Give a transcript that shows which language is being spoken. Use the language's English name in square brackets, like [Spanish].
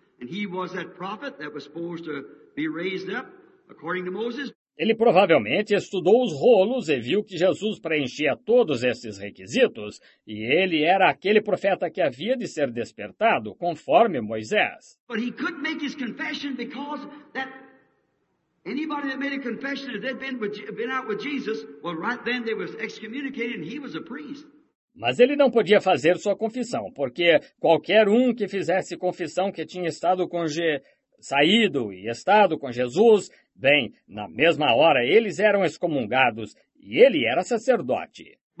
[Portuguese] E ele era aquele profeta que estava supposto ser [English] raised up, according to Moses. [Portuguese] Ele provavelmente estudou os rolos e viu que Jesus preenchia todos esses requisitos, e ele era aquele profeta que havia de ser despertado, conforme Moisés. [English] But he couldn't make his confession because that anybody that made a confession if they'd been out with Jesus, well, right then they was excommunicated and he was a priest. [Portuguese] Mas ele não podia fazer sua confissão, porque qualquer um que fizesse confissão que tinha estado com saído e estado com Jesus, bem, na mesma hora eles eram excomungados e ele era sacerdote.